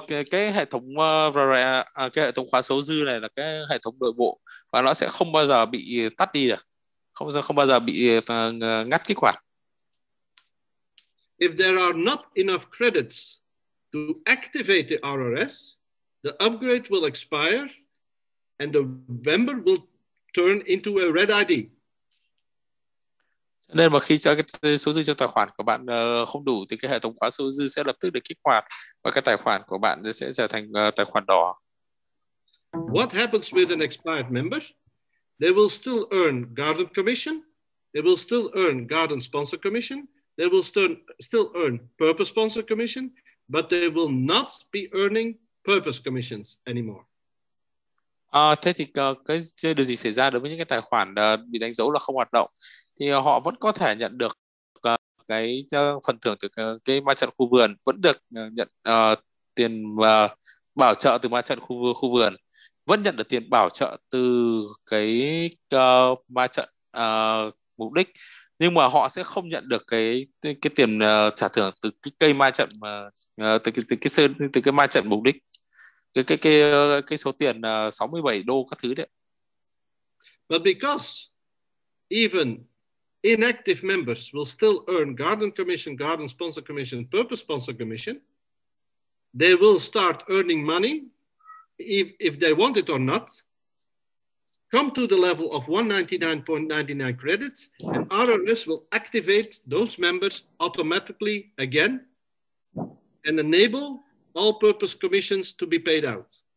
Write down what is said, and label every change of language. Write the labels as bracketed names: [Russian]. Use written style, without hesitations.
[Vietnamese] Cái hệ thống cái hệ thống khóa số dư này là cái hệ thống nội bộ, và nó sẽ không bao giờ bị tắt đi được. Không bao giờ bị ngắt kích hoạt. [English] If there are not enough credits to activate the RRS, the upgrade will expire and the member will turn into a red ID. [Vietnamese] Nên mà khi cái số dư trong tài khoản của bạn không đủ thì cái hệ thống khóa số dư sẽ lập tức được kích hoạt và cái tài khoản của bạn sẽ trở thành tài khoản đỏ. [English] What happens with an expired member? They will still earn garden commission, they will still earn garden sponsor commission, they will still earn purpose sponsor commission, but they will not be earning purpose commissions anymore. [Vietnamese] Thế thì cái điều gì xảy ra đối với những cái tài khoản bị đánh dấu là không hoạt động thì họ vẫn có thể nhận được cái phần thưởng từ cái ma trận khu vườn, vẫn được nhận tiền bảo trợ từ ma trận khu vườn, vẫn nhận được tiền bảo trợ từ cái ma trận mục đích, nhưng mà họ sẽ không nhận được cái tiền trả thưởng từ cái cây ma trận mà từ cái ma trận mục đích. Cái số tiền 67 đô các thứ đấy. [English] But because even inactive members will still earn garden commission, garden sponsor commission, purpose sponsor commission, they will start earning money if they want it or not, come to the level of 199.99 credits, and RRS will activate those members automatically again and enable all purpose commissions to be paid out.